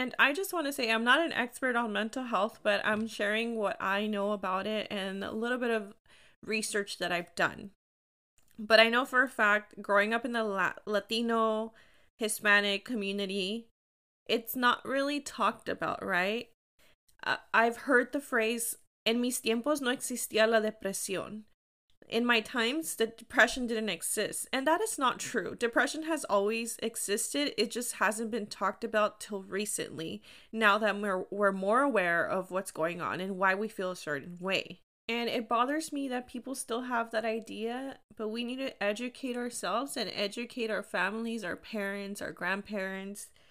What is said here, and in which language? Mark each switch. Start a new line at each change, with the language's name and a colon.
English: And I just want to say, I'm not an expert on mental health, but I'm sharing what I know about it and a little bit of research that I've done. But I know for a fact, growing up in the Latino Hispanic community, it's not really talked about, right? I've heard the phrase,
Spanish: en mis tiempos no existía la depresión.
English: In my times, the depression didn't exist. And that is not true. Depression has always existed. It just hasn't been talked about till recently, now that we're more aware of what's going on and why we feel a certain way. And it bothers me that people still have that idea, but we need to educate ourselves and educate our families, our parents, our grandparents.